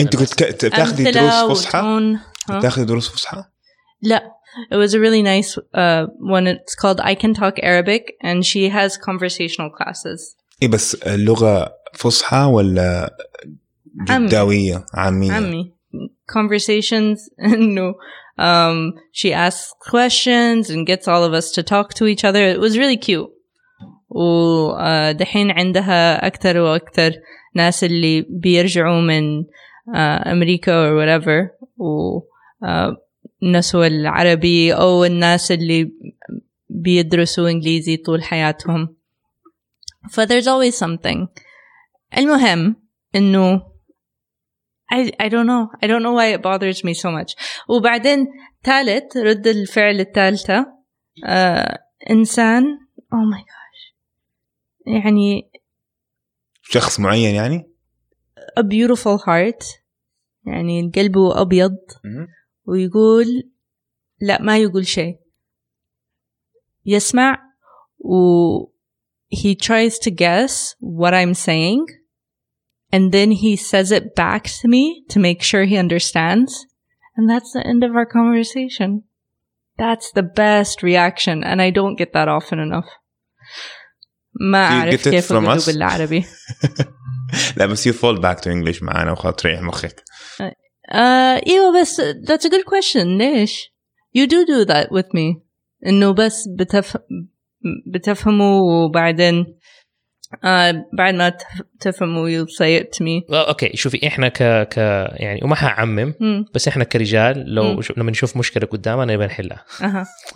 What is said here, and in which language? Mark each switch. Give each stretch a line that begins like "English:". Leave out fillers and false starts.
Arabic: أنت كنت تأخذ دروس فصحى؟ تأخذ دروس فصحى؟
English: لا. It was a really nice one. It's called I Can Talk Arabic and she has conversational classes.
Arabic: إيه بس اللغة فصحى ولا جداوية عامية؟
English: عامية. Conversations. No. She asks questions and gets all of us to talk to each other. It was really cute.
Arabic: ودحين عندها أكثر وأكثر ناس اللي بيرجعوا من أمريكا
English: or whatever
Arabic: نسوا العربي أو الناس اللي بيدرسوا إنجليزي طول حياتهم.
English: ف there's always something.
Arabic: المهم إنه
English: I don't know why it bothers me so much.
Arabic: وبعدين ثالث رد الفعل الثالثة إنسان
English: oh my gosh
Arabic: يعني شخص معين يعني
English: a beautiful heart
Arabic: يعني قلبه أبيض ويقول لا ما يقول شيء يسمع و
English: he tries to guess what I'm saying and then he says it back to me to make sure he understands and that's the end of our conversation. That's the best reaction and I don't get that often enough.
Arabic: ما أعرف كيف أقوله بالعربي. لا بس
English: you fall back to English
Arabic: معانا وخلاص تريح مخك. إيوه بس
English: that's a good question. ليش؟ You do that with me.
Arabic: إنه بس بتفهموا وبعدين بعد ما تفهموا
English: you'll say it to me.
Arabic: أوكي شوفي إحنا ك يعني وما هعمم بس إحنا كرجال لو لما نشوف مشكلة قدامنا نبي نحلها. أها.